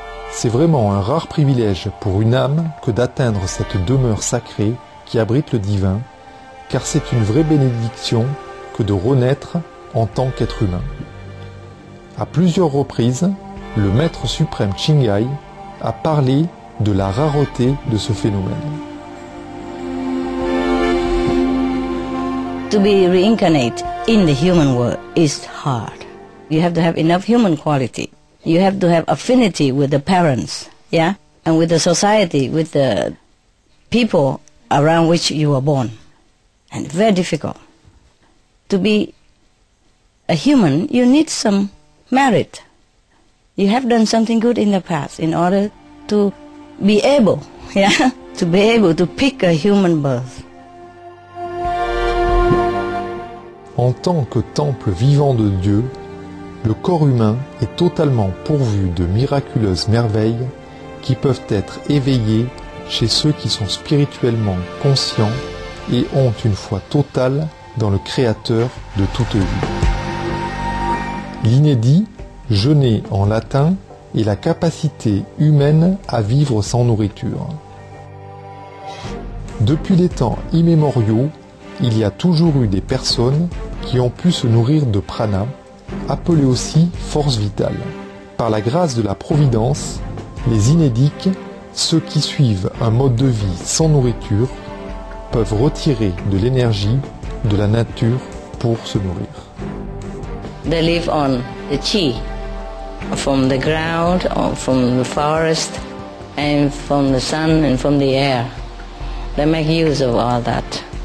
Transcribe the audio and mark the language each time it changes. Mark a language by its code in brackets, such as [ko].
[fr] C'est vraiment un rare privilège pour une âme que d'atteindre cette demeure sacrée qui abrite le divin, car c'est une vraie bénédiction que de renaître en tant qu'être humain. À plusieurs reprises, le Maître suprême Chinghai a parlé de la rareté de ce phénomène. [en] To be reincarnate in the human world is hard. You have to have enough human quality. You have to have affinity with the parents, yeah? And with the society, with the people around which you were born. And very difficult. To be a human, you need some merit. You have done something good in the past in order to be able, yeah? To be able to pick a human birth. [fr] En tant que temple vivant de Dieu, le corps humain est totalement pourvu de miraculeuses merveilles qui peuvent être éveillées chez ceux qui sont spirituellement conscients et ont une foi totale dans le Créateur de toute vie. L'inédit, jeûné en latin, est la capacité humaine à vivre sans nourriture. Depuis les temps immémoriaux, il y a toujours eu des personnes qui ont pu se nourrir de prana, appelé aussi force vitale. Par la grâce de la Providence, les inédiques, ceux qui suivent un mode de vie sans nourriture, peuvent retirer de l'énergie de la nature pour se nourrir. [en] They live on the chi, from the ground, from the forest, and from the sun and from the air. They make use of all that.